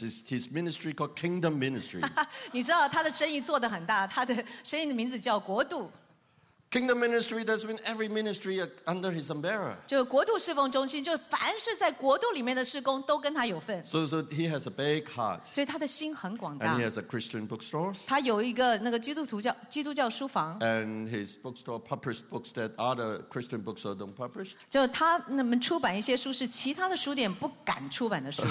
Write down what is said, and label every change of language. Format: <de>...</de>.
<en>His ministry called Kingdom Ministry.</en> <zh>你知道他的生意做得很大，他的生意的名字叫国度。</zh> <en>Kingdom Ministry, that's been every ministry under his umbrella.</en> <zh>就国度侍奉中心，就凡是在国度里面的事工都跟他有份。</zh> <en>So he has a big heart.</en> <zh>所以他的心很广大。</zh> <en>And he has a Christian bookstore.</en> <zh>他有一个那个基督教书房。</zh> <en>And his bookstore publishes books that other Christian bookstores don't publish.</en> <zh>就他那么出版一些书是其他的书店不敢出版的书。</zh>